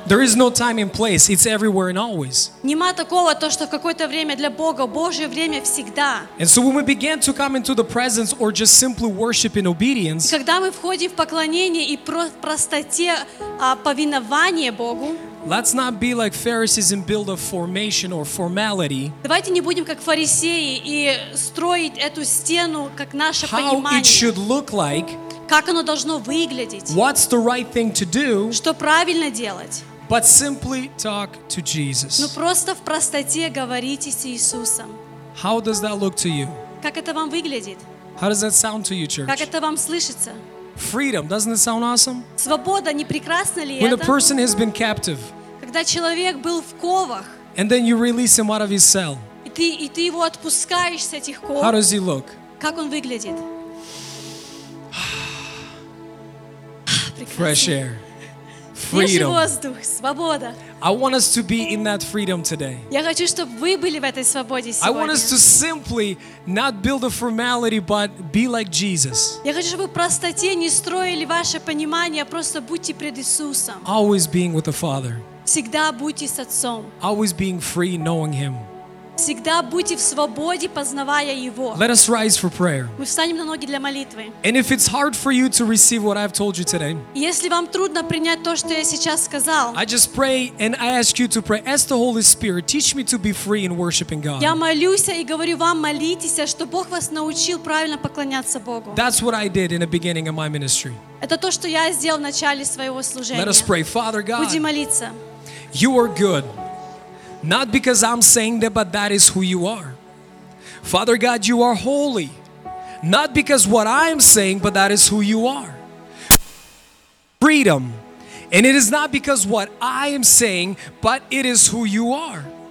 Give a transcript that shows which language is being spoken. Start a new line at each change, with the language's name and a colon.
English: There is no time and place. It's everywhere and always.
Russian: Нема такого, то, что в какое-то время для Бога. Божье время всегда.
English: And so when we begin to come into the presence or just simply worship in obedience,
Russian: когда мы входим в поклонение и простоте повинование Богу,
English: let's not be like Pharisees and build a formation or formality.
Russian: Давайте не будем как фарисеи и строить эту стену как наше понимание.
English: How it should look like.
Russian: Как оно должно выглядеть?
English: What's the right thing to do?
Russian: Что правильно делать?
English: But simply talk to Jesus.
Russian: Ну просто в простоте говорите с Иисусом.
English: How does that look to you?
Russian: Как это вам выглядит?
English: How does that sound to you, church?
Russian: Как это вам слышится?
English: Freedom, doesn't it sound awesome?
Russian: Свобода, не прекрасно ли это?
English: When a person has been captive.
Russian: Когда человек был в ковах.
English: And then you release him out of his cell.
Russian: И ты его отпускаешь с этих ков.
English: How does he look?
Russian: Как он выглядит?
English: Fresh air, freedom.
Russian: Воздух, свобода.
English: I want us to be in that freedom today.
Russian: Я хочу, чтобы вы были в этой свободе сегодня.
English: I want us to simply not build a formality, but be like Jesus.
Russian: Я хочу, чтобы в простоте не строили ваше понимание, просто будьте пред Иисусом.
English: Always being with the Father.
Russian: Всегда будьте с Отцом.
English: Always being free, knowing Him.
Russian: Всегда будьте в свободе, познавая Его.
English: Let us rise for prayer.
Russian: Мы встанем на ноги для молитвы.
English: And if it's hard for you to receive what I've told you today,
Russian: если вам трудно принять то, что я сейчас сказал,
English: I just pray and I ask you to pray. Ask the Holy Spirit, teach me to be free in worshiping God.
Russian: Я молюсь и говорю вам, молитесь, чтобы Бог вас научил правильно поклоняться Богу.
English: That's what I did in the beginning of my ministry.
Russian: Это то, что я сделал в начале своего служения.
English: Let us pray, Father God.
Russian: Будем молиться.
English: You are good. Not because I'm saying that, but that is who you are. Father God, you are holy. Not because what I am saying, but that is who you are. Freedom. And it is not because what I am saying, but it is who you are.